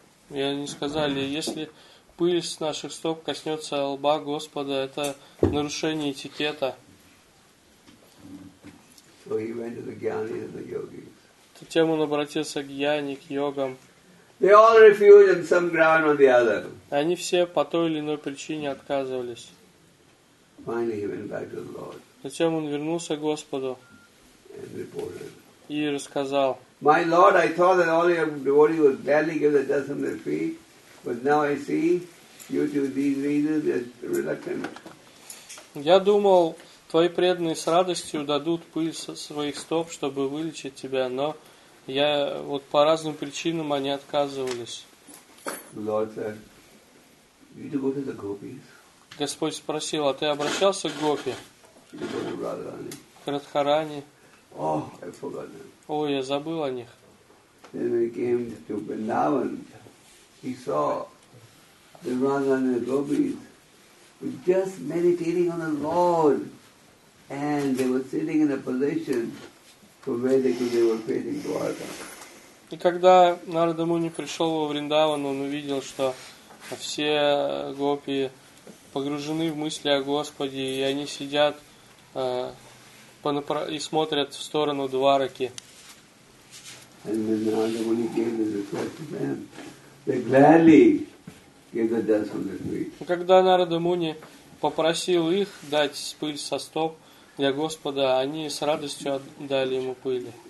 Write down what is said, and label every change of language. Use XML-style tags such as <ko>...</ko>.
<ru>И они сказали, если пыль с наших стоп коснется лба Господа, это нарушение этикета.</ru> <en>So he went to the gyanis and the yogis.</en> <ru>Затем он обратился к гьяни, к йогам.</ru> <en>They all refused on some ground or the other.</en> <ru>Они все по той или иной причине отказывались.</ru> <en>Finally he went back to the Lord.</en> <ru>Затем он вернулся к Господу.</ru> <en>And reported.</en> <ru>И рассказал.</ru> <en>My Lord, I thought that all your devotees would gladly give the dust on their feet, but now I see, due to these reasons, they're reluctant.</en> <ru>Я думал, твои преданные с радостью дадут пыль со своих стоп, чтобы вылечить тебя, но я вот по разным причинам они отказывались.</ru> <en>Lord said, "You need to go to the gopis."</en> <ru>Господь спросил, а ты обращался к гопи? К Радхарани.</ru> <en>Oh, I forgot them.</en> <ru>О, я забыл о них.</ru> <en>Then he came to Vrindavan. He saw the Radha and the Gopis just meditating on the Lord, and they were sitting in a position from where they could, they were facing Dwarka.</en> <ru>И когда Нарада Муни пришел во Вриндаван, он увидел, что все гопи погружены в мысли о Господе, и они сидят и смотрят в сторону Двараки. Когда Нарада Муни попросил их дать пыль со стоп для Господа, они с радостью отдали ему пыль.</ru>